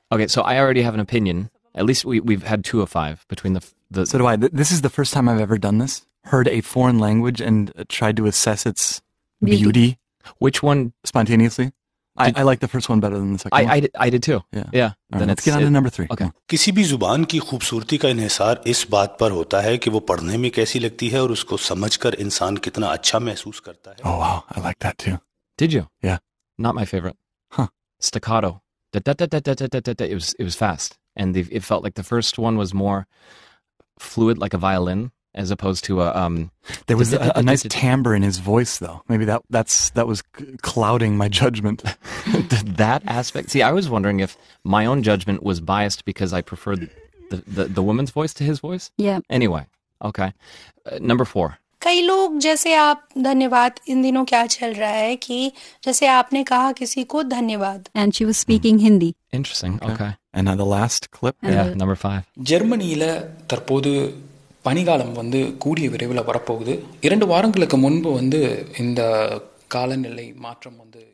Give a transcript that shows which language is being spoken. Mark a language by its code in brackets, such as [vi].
[en] Okay, so I already have an opinion. At least we've had 2 of 5 between the. So do I. This is the first time I've ever done this. Heard a foreign language and tried to assess its beauty. Which one? Spontaneously. I like the first one better than the second one. I did too. Yeah. Then let's get on to number 3. Okay. [hi] किसी भी जुबान की खूबसूरती का इन्हेसार इस बात पर होता है कि वो पढ़ने में कैसी लगती है और उसको समझकर इंसान कितना अच्छा महसूस करता है. [en] Oh wow, I like that too. Did you? Yeah. Not my favorite. Huh. Staccato. It was fast, and it felt like the first one was more fluid, like a violin, as opposed to a There was a nice timbre in his voice, though. Maybe that was clouding my judgment. That aspect. See, I was wondering if my own judgment was biased because I preferred the woman's voice to his voice. Yeah. Anyway, okay. Number 4. [hi] कई लोग जैसे आप धन्यवाद इन दिनों क्या चल रहा है कि जैसे आपने कहा किसी को धन्यवाद. [en] And she was speaking Hindi. Interesting. Okay. And now the last clip. Yeah. Number 5. [ta] ஜெர்மனியில தற்போது பனிகாலம் வந்து கூடிய விரைவில் வரப்போகுது. 2 வாரங்களுக்கு முன்பு வந்து இந்த காலநிலை மாற்றம் வந்து.